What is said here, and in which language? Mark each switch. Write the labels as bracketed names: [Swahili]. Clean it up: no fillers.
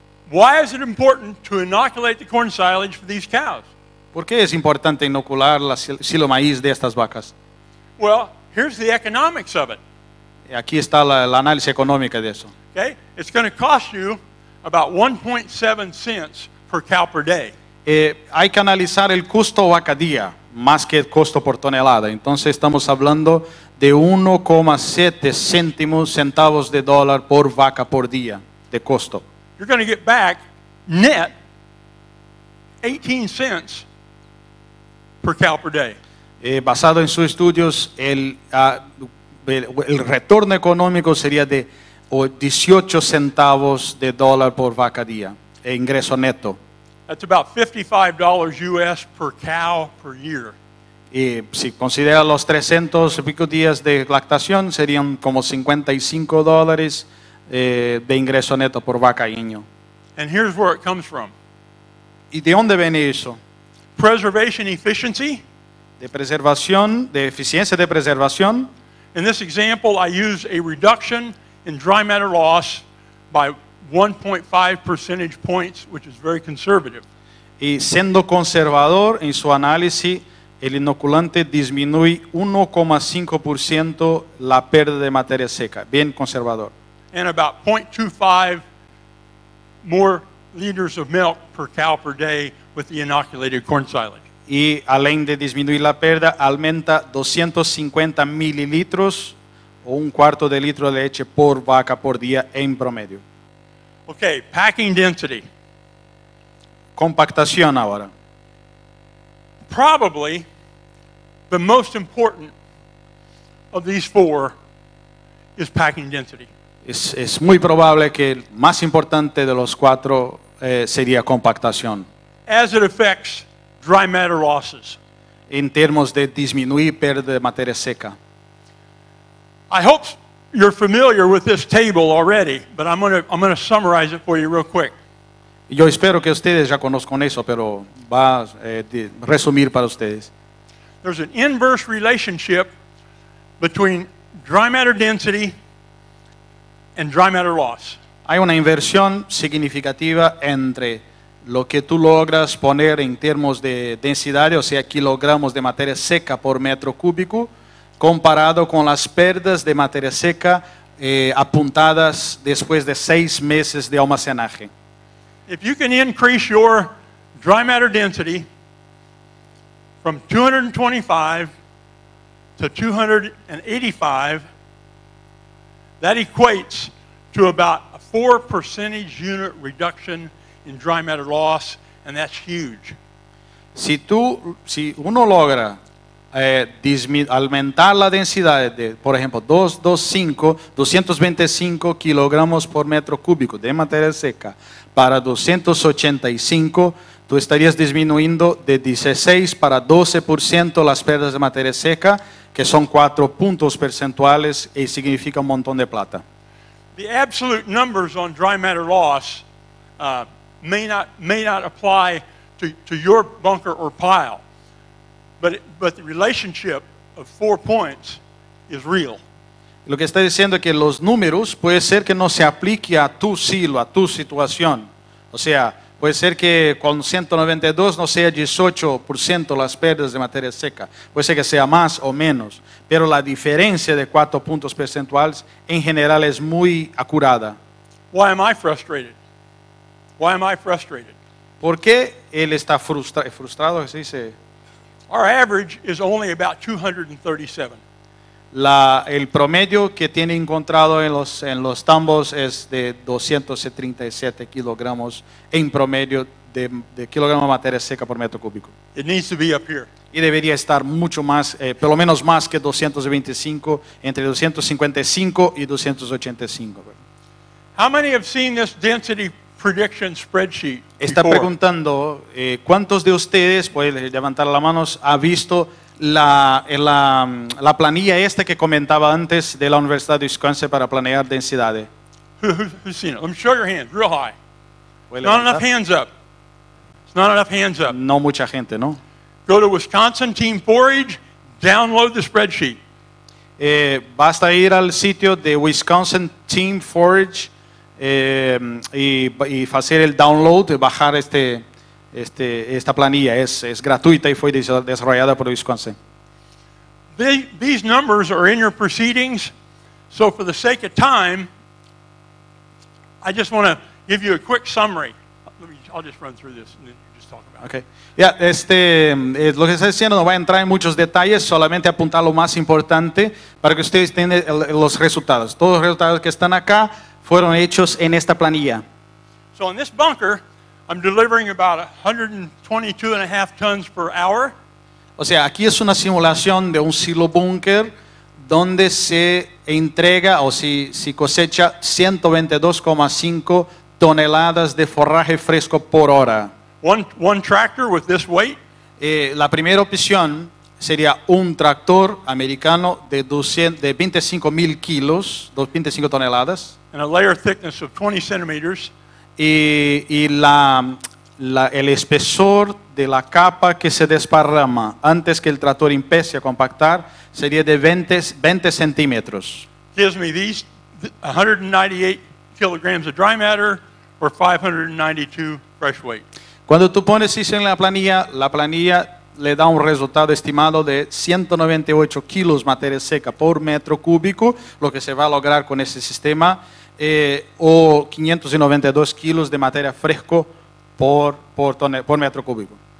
[English] Why is it important to inoculate the corn silage for these cows? [Spanish] ¿Por qué es importante inocular el silo maíz de estas vacas? [English] Well, here's the economics of it. [Spanish] Aquí está la análisis económica de eso. [English] Okay, it's going to cost you about 1.7 cents per cow per day. [Spanish] Hay que analizar el costo vaca día más que el costo por tonelada. Entonces estamos hablando de 1,7 centavos de dólar por vaca por día de costo. [English] You're going to get back net 18 cents per cow per day. [Spanish] Basado en sus estudios, el retorno económico sería de 18 centavos de dólar por vaca día, ingreso neto. [English] That's about $55 US per cow per year. [Spanish] Si considera los 300 y pico días de lactación, serían como $55. De ingreso neto por vaca y niño. [English] And here's where it comes from. [Spanish] ¿Y de dónde viene eso? [English] Preservation efficiency. [Spanish] de preservación, de eficiencia de preservación. [English] In this example, I use a reduction in dry matter loss by 1.5 percentage points, which is very conservative. [Spanish] Y siendo conservador en su análisis, el inoculante disminuye 1.5% la pérdida de materia seca, bien conservador. [English] And about 0.25 more liters of milk per cow per day with the inoculated corn silage. [Spanish] Y [Portuguese] além [Spanish] de disminuir la pérdida, aumenta 250 mililitros o un cuarto de litro de leche por vaca por día en promedio. [English] Okay, packing density. [Spanish] Compactación ahora. [English] Probably the most important of these four is packing density. [Spanish] Es muy probable que el más importante de los cuatro sería compactación. [English] As it affects dry matter losses. [Spanish] En términos de disminuir pérdida de materia seca. [English] I hope you're familiar with this table already, but I'm going to summarize it for you real quick. [Spanish] Yo espero que ustedes ya conozcan eso, pero va a resumir para ustedes. [English] There's an inverse relationship between dry matter density and dry matter loss. [Spanish] Hay una inversión significativa entre lo que tú logras poner en términos de densidad, o sea, kilogramos de materia seca por metro cúbico, comparado con las pérdidas de materia seca apuntadas después de 6 meses de almacenaje. [English] If you can increase your dry matter density from 225 to 285, that equates to about a 4 percentage unit reduction in dry matter loss, and that's huge. [Spanish] Si uno logra aumentar la densidad de, por ejemplo, 225 kilogramos por metro cúbico de materia seca para 285, tú estarías disminuyendo de 16 para 12% las pérdidas de materia seca, que son 4 puntos porcentuales y significa un montón de plata. [English] The absolute numbers on dry matter loss may not apply to your bunker or pile, but the relationship of 4 points is real. [Spanish] Lo que está diciendo es que los números puede ser que no se aplique a tu silo, a tu situación. O sea, puede ser que con 192 no sea 18% las pérdidas de materia seca. Puede ser que sea más o menos. Pero la diferencia de 4 puntos percentuales en general es muy acurada. [English] Why am I frustrated? Why am I frustrated? [Spanish] ¿Por qué él está frustrado? ¿Sí se? [English] Our average is only about 237. [Spanish] El promedio que tiene encontrado en los tambos es de 237 kilogramos en promedio de kilogramo de materia seca por metro cúbico. [English] It needs to be up here. [Spanish] Y debería estar mucho más, por lo menos más que 225, entre 255 y 285. [English] How many have seen this density prediction spreadsheet before? [Spanish] Está preguntando cuántos de ustedes, pueden levantar las manos, ha visto la planilla esta que comentaba antes de la Universidad de Wisconsin para planear densidades. [English] Who's seen it? Let me show your hand, real high. Not enough hands up. It's not enough hands up. [Spanish] No mucha gente, ¿no? [English] Go to Wisconsin Team Forage, download the spreadsheet. [Spanish] Basta ir al sitio de Wisconsin Team Forage y hacer el download, bajar esta planilla. Es gratuita y fue desarrollada por Wisconsin. [English] These numbers are in your proceedings, so for the sake of time, I just want to give you a quick summary. I'll just run through this and then you just talk about it. Okay. Yeah, [Spanish] lo que está diciendo no va a entrar en muchos detalles, solamente apuntar lo más importante para que ustedes tengan los resultados. Todos los resultados que están acá fueron hechos en esta planilla. [English] So in this bunker, I'm delivering about 122 and a half tons per hour. [Spanish] O sea, aquí es una simulación de un silo búnker donde se entrega o si cosecha 122.5 toneladas de forraje fresco por hora. [English] One tractor with this weight. [Spanish] La primera opción sería un tractor americano de 25 mil kilos, 25 toneladas. [English] And a layer thickness of 20 centimeters. [Spanish] Y la el espesor de la capa que se desparrama antes que el tractor empiece a compactar sería de 20 centímetros. [English] Gives me these 198 kilograms of dry matter or 592 fresh weight. [Spanish] Cuando tú pones eso en la planilla le da un resultado estimado de 198 kilos materia seca por metro cúbico, lo que se va a lograr con ese sistema, o 592 kilos de materia fresco por metro cúbico.